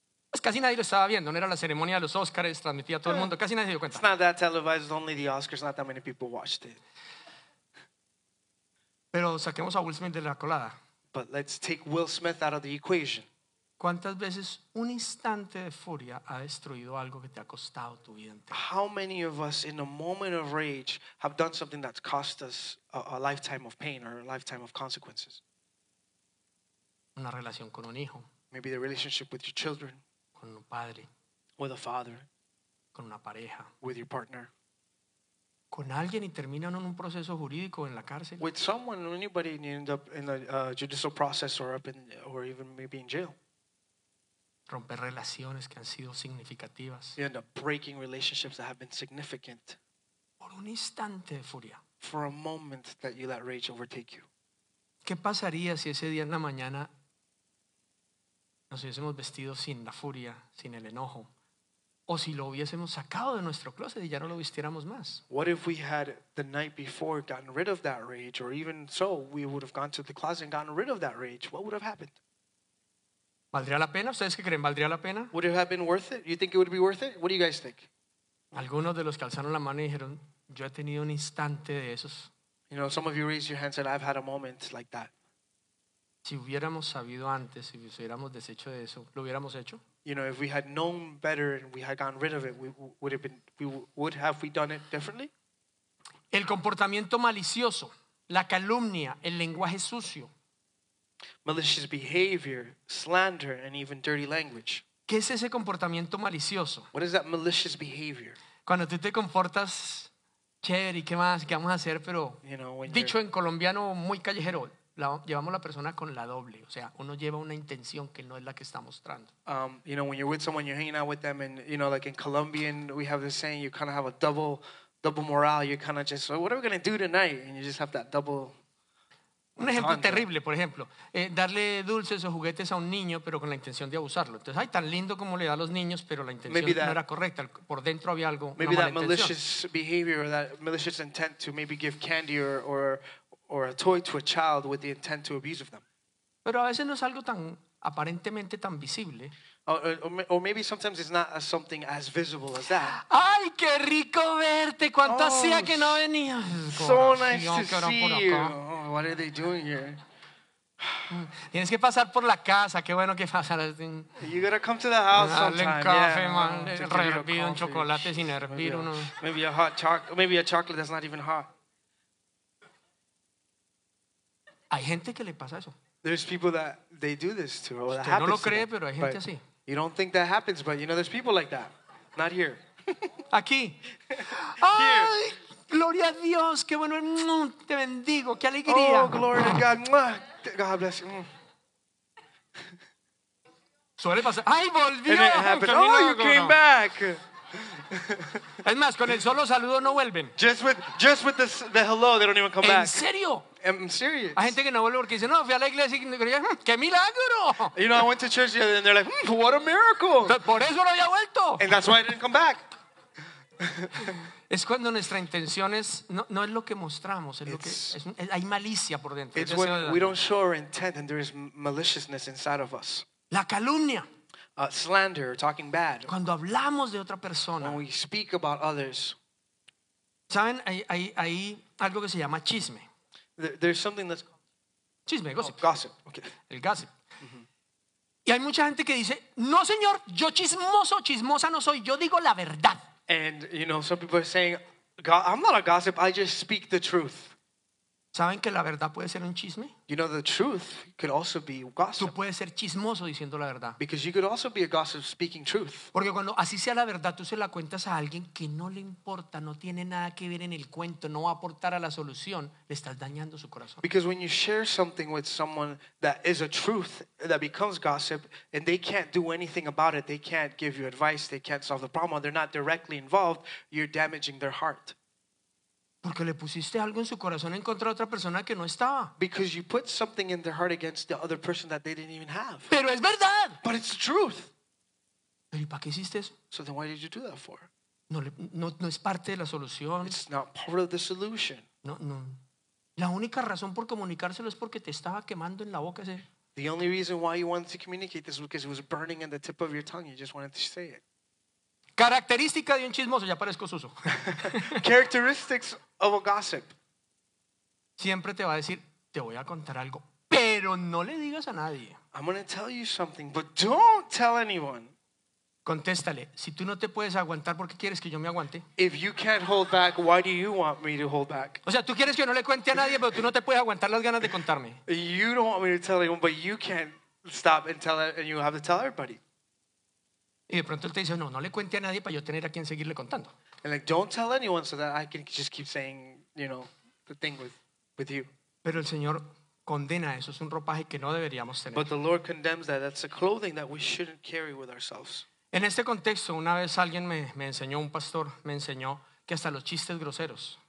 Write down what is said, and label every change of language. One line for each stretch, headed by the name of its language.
Spanish: Pues casi nadie lo estaba viendo. No era la ceremonia de los Oscars, transmitía a todo el mundo. Casi nadie se dio cuenta.
English: It's not that televised, only the Oscars. Not that many people watched it.
Spanish: Pero saquemos a Will Smith de la colada.
English: But let's take Will Smith out of the equation.
Spanish: ¿Cuántas veces un instante de furia ha destruido algo que te ha costado tu vida entera?
English: How many of us in a moment of rage have done something that's cost us a lifetime of pain or a lifetime of consequences?
Spanish: Una relación con un hijo.
English: Maybe the relationship with your children.
Spanish: Con un padre.
English: With a father.
Spanish: Con una pareja.
English: With your partner.
Spanish: Con alguien y terminan en un proceso jurídico en la cárcel.
English: With someone, anybody, and you end up in a judicial process or up in, or even maybe in jail.
Spanish: Romper relaciones que han sido significativas.
English: You end up breaking relationships that have been significant.
Spanish: Por un instante de furia.
English: For a moment that you let rage overtake you.
Spanish: ¿Qué pasaría si ese día en la mañana nos hubiésemos vestido sin la furia, sin el enojo? O si lo hubiésemos sacado de nuestro closet y ya no lo vistiéramos más.
English: What if we had the night before gotten rid of that rage, or even so, we would have gone to the closet and gotten rid of that rage? What would have happened?
Spanish: ¿Valdría la pena? ¿Ustedes qué creen? ¿Valdría la pena?
English: Would it have been worth it? You think it would be worth it? What do you guys think?
Spanish: Algunos de los que alzaron la mano dijeron, yo he tenido un instante de esos.
English: You know, some of you raised your hands and said, I've had a moment like that.
Spanish: Si hubiéramos sabido antes, si hubiéramos deshecho de eso, ¿lo hubiéramos hecho?
English: You know, if we had known better and we had gotten rid of it, would have we done it differently?
Spanish: El comportamiento malicioso, la calumnia, el lenguaje sucio.
English: Malicious behavior, slander, and even dirty language.
Spanish: ¿Qué es ese comportamiento malicioso?
English: What is that malicious behavior?
Spanish: Cuando tú te comportas chévere, ¿y qué más? ¿Qué vamos a hacer? Pero dicho en colombiano muy callejero, llevamos la persona con la doble, o sea, uno lleva una intención que no es la que está mostrando.
English: You know, when you're with someone, you're hanging out with them, and you know, like in Colombian, we have this saying, you kind of have a double morale. You're kind of just, well, what are we going to do tonight? And you just have that
Spanish: un ejemplo terrible, por ejemplo, darle dulces o juguetes a un niño, pero con la intención de abusarlo. Entonces, ay, tan lindo como le da a los niños, pero la intención
English: maybe that,
Spanish: no era correcta. Por dentro había algo.
English: Maybe that malicious behavior or that malicious intent to maybe give candy or a toy to a child with the intent to abuse of them.
Spanish: Pero a veces no es algo tan aparentemente tan visible.
English: Or maybe sometimes it's not something as visible as that.
Spanish: Ay, qué rico verte. Cuánto hacía que no venías.
English: So nice to see you. Oh, what are they doing here?
Spanish: Tienes que pasar por la casa. Qué bueno que pasaras.
English: You gotta come to the house sometime.
Spanish: Dale un café, man. Hervir un chocolate sin hervir uno.
English: Maybe a hot chocolate. Maybe a chocolate that's not even hot.
Spanish: Hay gente que le pasa eso.
English: There's people that they do this to. Well, that
Spanish: no lo cree,
English: to them,
Spanish: pero hay gente así.
English: You don't think that happens, but you know there's people like that. Not here.
Spanish: Aquí.
English: Here.
Spanish: Ay, gloria a Dios. Qué bueno. Te bendigo. Qué alegría.
English: Oh, glory to God. God bless you.
Spanish: Suele pasar. Ay, volvió.
English: And it happened. Oh, you came back.
Spanish: Es más, con el solo saludo no vuelven.
English: Just with the hello, they don't even come back.
Spanish: ¿En serio?
English: I'm serious.
Spanish: Hay gente que no vuelve porque dice, no, fui a la iglesia y dije, ¡qué milagro!
English: You know, I went to church and they're like, what a miracle.
Spanish: Por eso no había vuelto.
English: And that's why I didn't come back.
Spanish: Es cuando nuestra intención es, no es lo que mostramos, hay malicia por dentro.
English: It's when we don't show our intent and there is maliciousness inside of us.
Spanish: La calumnia.
English: Slander, talking bad.
Spanish: Cuando hablamos de otra persona.
English: When we speak about others.
Spanish: ¿Saben? Hay algo que se llama chisme.
English: There's something that's called chisme, gossip. Oh, gossip. Okay.
Spanish: El gossip. Mm-hmm. Y hay mucha gente que dice, no señor, yo chismoso, chismosa no soy, yo digo la verdad.
English: And you know, some people are saying, I'm not a gossip, I just speak the truth.
Spanish: ¿Saben que la verdad puede ser un chisme?
English: You know, the truth could also be gossip.
Spanish: Tú puedes ser chismoso diciendo la verdad.
English: Because you could also be a gossip speaking truth.
Spanish: Porque cuando así sea la verdad, tú se la cuentas a alguien que no le importa, no tiene nada que ver en el cuento, no va a aportar a la solución, le estás dañando su corazón.
English: Because when you share something with someone that is a truth, that becomes gossip, and they can't do anything about it, they can't give you advice, they can't solve the problem, they're not directly involved, you're damaging their heart.
Spanish: Porque le pusiste algo en su corazón en contra de otra persona que no estaba.
English: Because you put something in their heart against the other person that they didn't even have.
Spanish: Pero es verdad.
English: But it's the truth.
Spanish: ¿Pero y para qué hiciste eso?
English: So then why did you do that for?
Spanish: No es parte de la solución.
English: It's not part of the solution.
Spanish: No. La única razón por comunicárselo es porque te estaba quemando en la boca ese.
English: The only reason why you wanted to communicate this was because it was burning in the tip of your tongue. You just wanted to say it.
Spanish: Característica de un chismoso, ya parezco suso.
English: Characteristics of a gossip.
Spanish: Siempre te va a decir, te voy a contar algo, pero no le digas a nadie.
English: I'm going to tell you something, but don't tell anyone.
Spanish: Contéstale, si tú no te puedes aguantar, ¿por qué quieres que yo me aguante?
English: If you can't hold back, why do you want me to hold back?
Spanish: O sea, tú quieres que yo no le cuente a nadie, pero tú no te puedes aguantar las ganas de contarme.
English: You don't want me to tell anyone, but you can't stop and tell it, and you have to tell everybody.
Spanish: Y de pronto él te dice, no le cuente a nadie para yo tener a quien seguirle contando.
English: And like, don't tell anyone so that I can just keep saying, you know, the thing with you.
Spanish: Pero el Señor condena eso, es un ropaje que no deberíamos tener.
English: But the Lord condemns that, that's a clothing that we shouldn't carry with ourselves.
Spanish: En este contexto, una vez alguien me enseñó, un pastor me enseñó, que hasta los chistes groseros